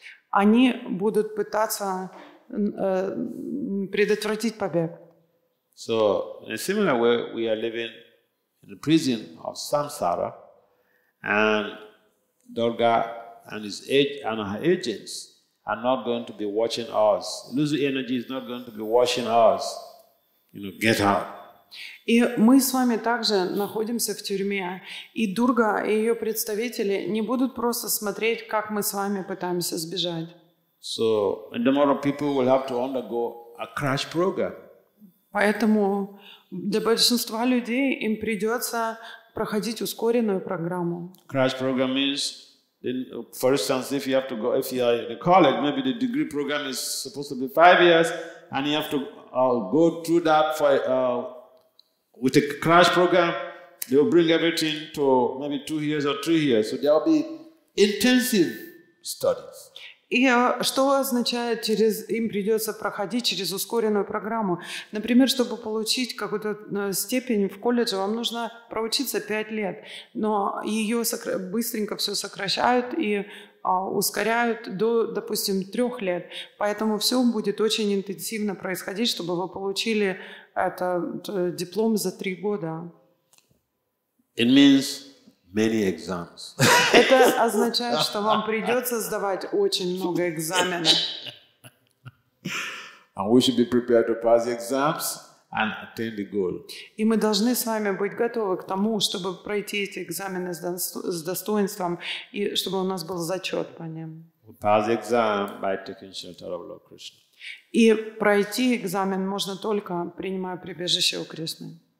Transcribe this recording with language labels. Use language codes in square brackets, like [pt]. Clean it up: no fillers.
[ru] Они будут пытаться предотвратить побег. [en] So, in a similar way, we are living in the prison of samsara, and Durga and his agents are not going to be watching us. Illusory energy is not going to be watching us. You know, get out. [ru] И мы с вами также находимся в тюрьме, и Дурга и ее представители не будут просто смотреть, как мы с вами пытаемся сбежать. [en] So, and tomorrow people will have to undergo a crash program. [ru] Поэтому для большинства людей им придется проходить ускоренную программу. [en] Crash program means, for instance, if you have to go, if you are in a college, maybe the degree program is supposed to be 5 years, and you have to go through that for with a crash program, they will bring everything to maybe 2 years or 3 years. So there will be intensive studies. [ru] И что означает, им придется проходить через ускоренную программу? Например, чтобы получить какую-то степень в колледже, вам нужно проучиться 5 лет. Но ее быстренько все сокращают и ускоряют до, допустим, 3 лет. Поэтому все будет очень интенсивно происходить, чтобы вы получили этот диплом за 3 года. [en] It means many exams. [ru] Это означает, что вам придется сдавать очень много экзаменов. [en] And we should be prepared to pass the exams and attain the goal. [ru] И мы должны с вами быть готовы к тому, чтобы пройти эти экзамены с достоинством и чтобы у нас был зачет по ним. [en] We pass the exam by taking shelter of Lord Krishna. [ru] И пройти экзамен можно только принимая прибежище у Кришны.